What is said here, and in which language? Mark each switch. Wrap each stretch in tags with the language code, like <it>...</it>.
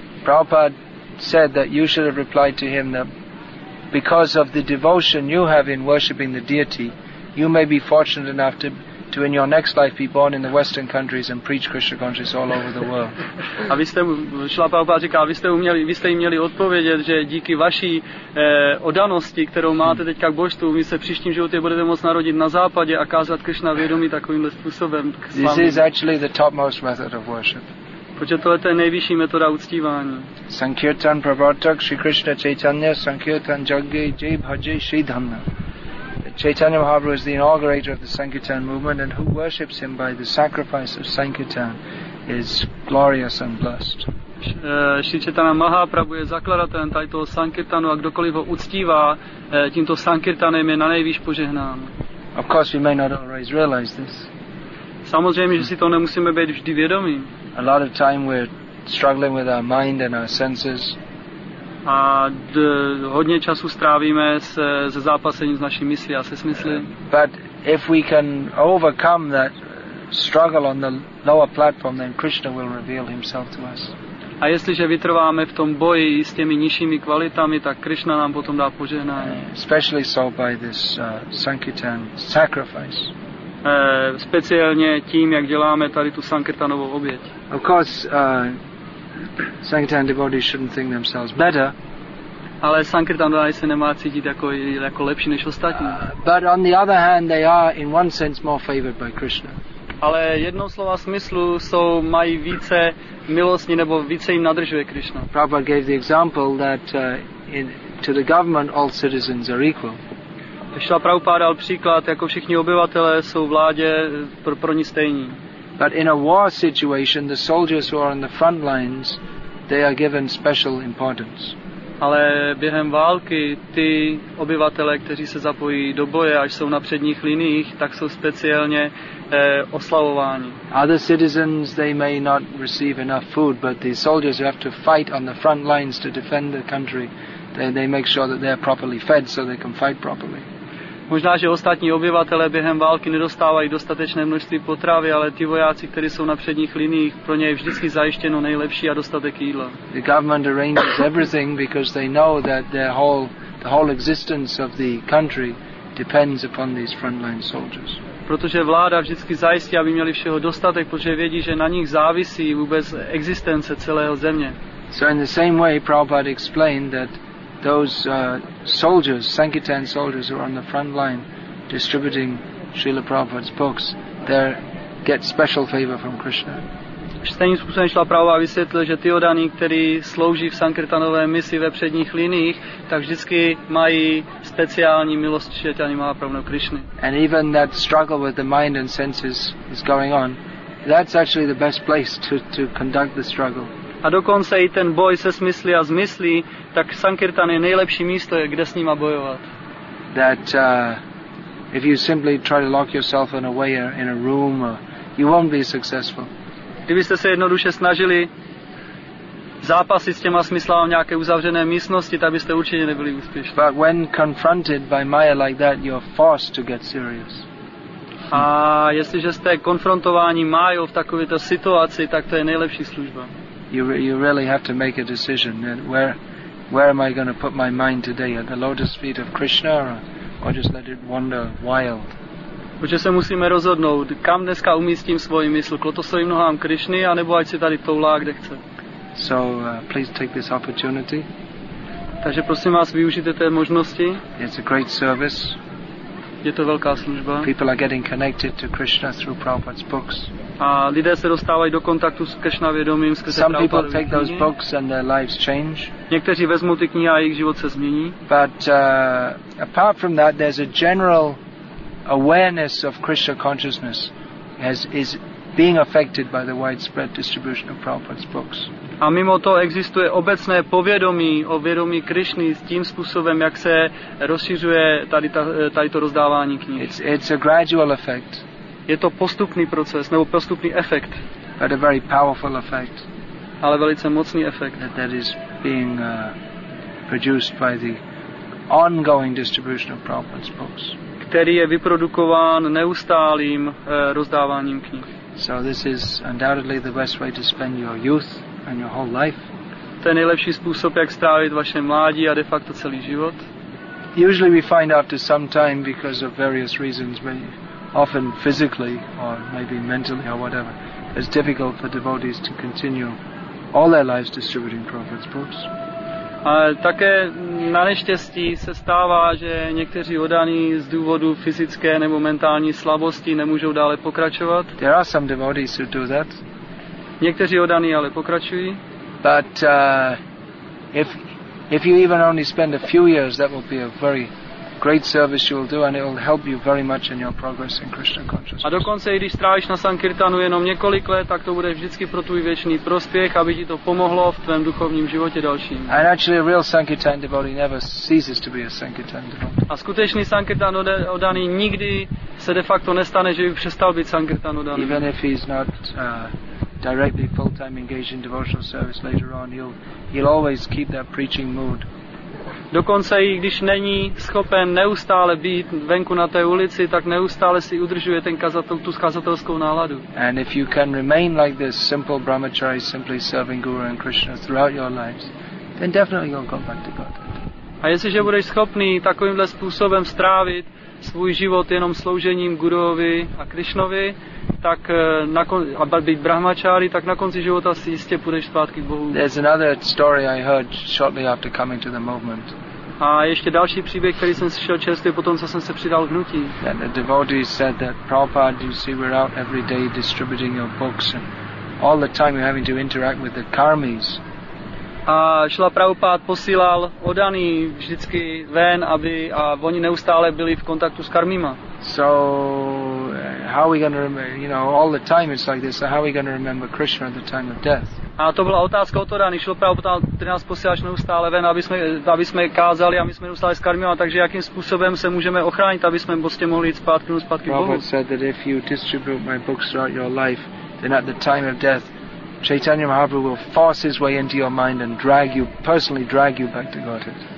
<en>Prabhupada said that you should have replied to him that because of the devotion you have in worshipping the deity, you may be fortunate enough to in your next life be born in the Western countries and preach Krishna consciousness all over the world.</en> <cs>A vy jste Šrila Prabhupáda říkal, vy jste jim měli odpovědět, že díky vaší oddanosti, kterou máte teďka k božstvu, vy se v příštím životě budete moct narodit na západě a kázat Krishna vědomí takovýmhle způsobem.</cs> <en>This is actually the topmost method of worship.</en> <cs>Protože tohle je nejvyšší metoda uctívání.</cs> <sa>Sankirtan Prabhatak Sri Krishna Chaitanya Sankirtan Jagge Jai Bhaje Sri Dhanna.</sa> <en>Chaitanya Mahaprabhu is the inaugurator of the Sankirtan movement and who worships him by the sacrifice of Sankirtan is glorious and blessed.</en> <cs>Shri Chaitanya Mahaprabhu je zakladatelem tohoto Sankirtanu a kdokoliv ho uctívá, tímto Sankirtanem je na nejvýš požehnán.</cs> <en>Of course we may not always realize this.</en> <cs>Samozřejmě, že si to nemusíme být vždy vědomí.</cs> <en>A lot of time we're struggling with our mind and our senses.</en> <cs>A hodně času strávíme se zápasením s naší myslí a se smysly.</cs> <en>But if we can overcome that struggle on the lower platform, then Krishna will reveal himself to us.</en> <cs>A jestliže vytrváme v tom boji s těmi nižšími kvalitami, tak Krishna nám potom dá požehnání.</cs> <en>Especially so by this Sankirtan sacrifice.</en> <cs>Speciálně tím, jak děláme tady tu Sankirtanovou oběť.</cs> <en>Of course, Sankirtan devotees shouldn't think themselves better.</en> <cs>Ale Sankirtan devotees se nemá cítit jako lepší než ostatní.</cs> <en>But on the other hand, they are in one sense more favored by Krishna.</en> <cs>Ale jednou slova smyslu jsou mají více milostní nebo více jim nadržuje Krishna.</cs> <en>Prabhupada gave the example that to the government all citizens are equal.</en> <cs>Šla Prabhupáda dal příklad, jako všichni obyvatelé jsou vládě pro ní stejní.</cs> <en>But in a war situation, the soldiers who are on the front lines, they are given special importance.</en> <cs>Ale během války ty obyvatelé, kteří se zapojí do boje, až jsou na předních liniích, tak jsou speciálně oslavováni.</cs> <en>Other citizens, they may not receive enough food, but the soldiers who have to fight on the front lines to defend the country, they make sure that they are properly fed so they can fight properly.</en> <cs>Možná, že ostatní obyvatelé během války nedostávají dostatečné množství potravy, ale ti vojáci, kteří jsou na předních liniích, pro ně je vždycky zajištěno nejlepší a dostatek jídla.</cs> <en>The government arranges everything because they know that the whole existence of the country depends upon these frontline soldiers.</en> <cs>Protože vláda vždycky zajistí, aby měli všeho dostatek, protože vědí, že na nich závisí vůbec existence celého země.</cs> <en>So in the same way, Prabhupada explained that those soldiers, Sankirtan soldiers who are on the front line distributing Srila Prabhupada's books, they get special favor from Krishna.</en> <cs>Stejným způsobem Srila Prabhupada vysvětlil, že ty oddaní, kteří slouží v Sankirtanové misi ve předních liniích, tak vždycky mají speciální milost Čaitanya Mahaprabhu nebo Krishny.</cs> <en>And even that struggle with the mind and senses is going on, that's actually the best place to conduct the struggle.</en> <cs>A dokonce i ten boj se smyslí a zmyslí, tak Sankirtan je nejlepší místo, kde s nima bojovat.</cs> <en>That if you simply try to lock yourself in a way or in a room, you won't be successful.</en> <cs>Kdybyste se jednoduše snažili zápasit s těma smyslami v nějaké uzavřené místnosti, tak byste určitě nebyli úspěšní.</cs> <en>But when confronted by Maya like that, you're forced to get serious.</en> <cs>A jestliže jste konfrontováni Mayou v takovéto situaci, tak to je nejlepší služba.</cs> <en>You really have to make a decision. Where am I going to put my mind today? At the lotus feet of Krishna, or just let it wander wild?</en> <cs>Protože se musíme rozhodnout, kam dneska umístím svoji mysl, k lotosovým nohám Krishny, anebo ať si tady toulá, kde chce.</cs> <en>So please take this opportunity.</en> <cs>Takže prosím vás, využijte té možnosti.</cs> <en>It's a great service.</en> <cs>Je to velká služba.</cs> <en>People are getting connected to Krishna through Prabhupada's books.</en> <cs>A lidé se dostávají do kontaktu s Krishna vědomím skrze Prabhupada.</cs> <en>Some people take those books and their lives change.</en> <cs>Někteří vezmou ty knihy a jejich život se změní.</cs> <en>But apart from that, there's a general awareness of Krishna consciousness as is being affected by the widespread distribution of Prabhupada's books.</en> <cs>A mimo to existuje obecné povědomí o vědomí Krishny s tím způsobem, jak se rozšiřuje tady to rozdávání knih.</cs> <en>It's a gradual effect.</en> <cs>Je to postupný proces nebo postupný efekt.</cs> <en>But a very powerful effect.</en> <cs>Ale velice mocný efekt.</cs> <en>That is being produced by the ongoing distribution of Prabhupada's books.</en> <cs>Který je vyprodukován neustálým rozdáváním knih.</cs> <en>So this is undoubtedly the best way to spend your youth and your whole life.</en> <cs>To je nejlepší způsob, jak strávit vaše mládí a de facto celý život.</cs> <en>Usually we find after some time because of various reasons, but often physically or maybe mentally or whatever, it's difficult for devotees to continue all their lives distributing Prabhupada's books.</en> <cs>A také na neštěstí se stává, že někteří oddaní z důvodu fyzické nebo mentální slabosti nemůžou dále pokračovat.</cs> <en>There are some devotees who do that.</en> <cs>Někteří oddaní ale pokračují.</cs> <en>But if you even only spend a few years, that will be a very great service you will do, and it will help you very much in your progress in Krishna consciousness.</en> <cs>A dokonce i když strávíš na Sankirtanu jenom několik let, tak to bude vždycky pro tvůj věčný prospěch, aby ti to pomohlo v tvém duchovním životě dalším.</cs> <en>And actually a real Sankirtan devotee never ceases to be a Sankirtan devotee.</en> <cs>A skutečný Sankirtan oddaný nikdy se de facto nestane, že by přestal být Sankirtan oddaný.</cs> <en>Even if he's not directly full-time engaged in devotional service later on, he'll always keep that preaching mood.</en> <cs>Dokonce i když není schopen neustále být venku na té ulici, tak neustále si udržuje ten tu kazatelskou náladu.</cs> <en>And if you can remain like this simple brahmachari, simply serving Guru and Krishna throughout your lives, then definitely you'll come back to God.</en> <cs>A jestliže budeš schopný takovýmhle způsobem strávit svůj život jenom sloužením Guruovi a Krishnovi, tak a být brahmačáry, tak na konci života si jistě půjdeš zpátky k Bohu.</cs> <en>There's another story I heard shortly after coming to the movement.</en> <cs>A ještě další příběh, který jsem slyšel čerstvě potom, co jsem se přidal k hnutí.</cs> <en>And the devotee said that, Prabhupada, you see, we're out every day distributing your books, and all the time you're having to interact with the karmis.</en> <cs>A Šrila Prabhupád posílal oddaný vždycky ven, aby a oni neustále byli v kontaktu s karmíma.</cs> <en>So how are we going to remember, you know, all the time it's like this, so how are we going to remember Krishna at the time of death?</en> <cs>A to byla otázka od Rani, Šrila Prabhupád, ty nás posíláš neustále ven, aby jsme kázali a my jsme neustále s karmíma, takže jakým způsobem se můžeme ochránit, aby jsme prostě mohli jít zpátky k Bohu?</cs> <en>Prabhupád said that if you distribute my books throughout your life, then at the time of death, Chaitanya Mahaprabhu will force his way into your mind and drag you back to Godhead.</en>